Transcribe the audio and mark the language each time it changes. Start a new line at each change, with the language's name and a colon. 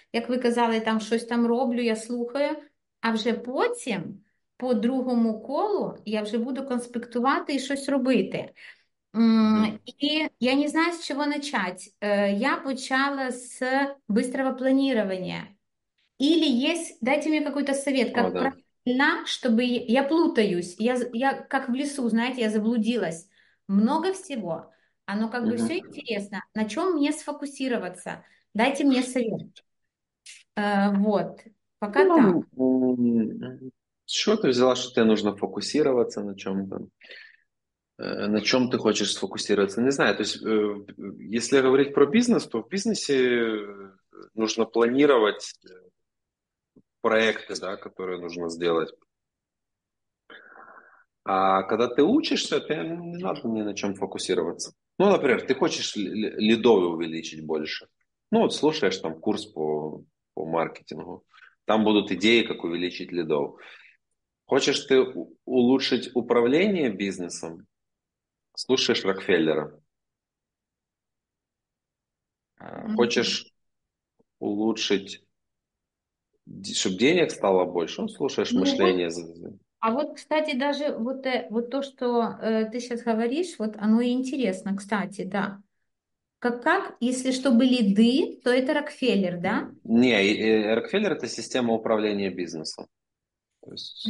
Ukrainian: Як ви казали, там щось там роблю, я слухаю. А вже потім, по другому колу, я вже буду конспектувати і щось робити. І я не знаю, з чого почати. Я почала з быстрого планування.
Russian: Или есть, дайте мне какой-то совет, О, как да. правильно, чтобы я плутаюсь, я как в лесу, знаете, я заблудилась. Много всего, оно как бы все интересно. На чем мне сфокусироваться? Дайте мне совет. Вот, пока так.
Ukrainian: Ну, що ти взяла, що тебе нужно фокусуватися на чому там? На чому ти хочеш сфокусуватися? Не знаю. Тобто, якщо говорити про бізнес, то в бізнесі нужно планувати проекти, да,
Russian: которые нужно сделать.
Ukrainian: А коли ти учишся, ти не треба ні на чому фокусуватися. Ну, наприклад, ти хочеш лідові увеличити більше. Ну, от слухаєш там курс по маркетингу. Там будуть ідеї, як увеличити лідов. Хочеш ти улучшити управління бізнесом? Слухаєш Рокфеллера. Хочеш улучшити, щоб денег стало більше? Ну, слухаєш Ну, мислення.
Russian: а вот, кстати, даже вот то, что ты сейчас говоришь, вот оно и интересно, кстати, да. Как, если чтобы лиды, то это Рокфеллер, да? Не, Рокфеллер – это система управления бизнесом. То есть